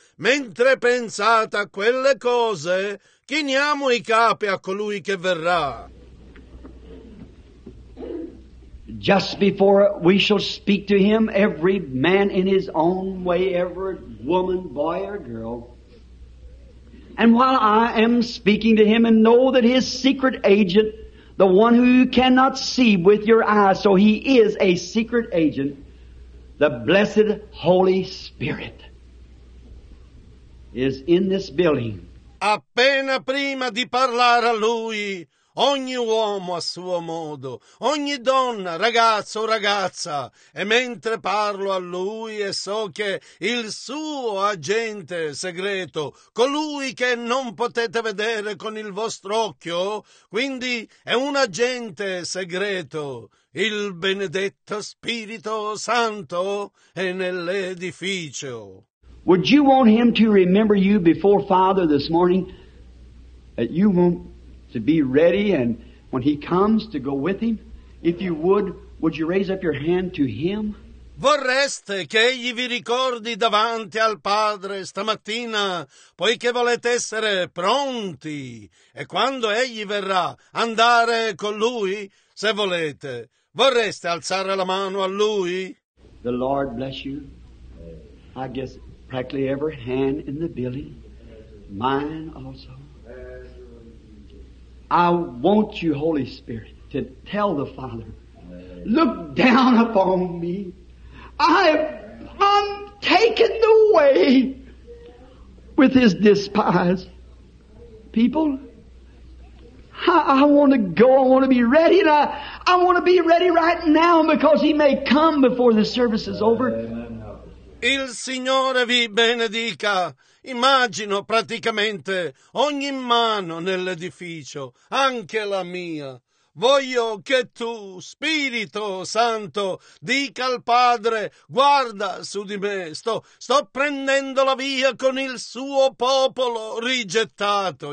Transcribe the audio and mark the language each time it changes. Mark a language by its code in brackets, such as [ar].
[it] Mentre pensate a quelle cose, chiniamo i capi a colui che verrà. [en] Just before we shall speak to him, every man in his own way, every woman, boy or girl. And while I am speaking to him and know that his secret agent, the one who you cannot see with your eyes, so he is a secret agent, the blessed Holy Spirit is in this building. [it] Appena prima di parlare a lui. Ogni uomo a suo modo, ogni donna, ragazzo o ragazza, e mentre parlo a lui e so che il suo agente segreto, colui che non potete vedere con il vostro occhio, quindi è un agente segreto, il benedetto Spirito Santo è nell'edificio. [en] Would you want him to remember you before Father this morning? You won't. To be ready and when he comes to go with him, if you would you raise up your hand to him? [it] Vorreste che egli vi ricordi davanti al Padre stamattina, poiché volete essere pronti, e quando egli verrà andare con lui, se volete, vorreste alzare la mano a lui? [en] The Lord bless you. I guess practically every hand in the building, mine also. I want you, Holy Spirit, to tell the Father, look down upon me. I'm taken away with his despised people. I want to go. I want to be ready. And I want to be ready right now because he may come before the service is over. [it] Il Signore vi benedica. Immagino praticamente ogni mano nell'edificio, anche la mia. Voglio che tu, Spirito Santo, dica al Padre, guarda su di me, sto prendendo la via con il suo popolo rigettato.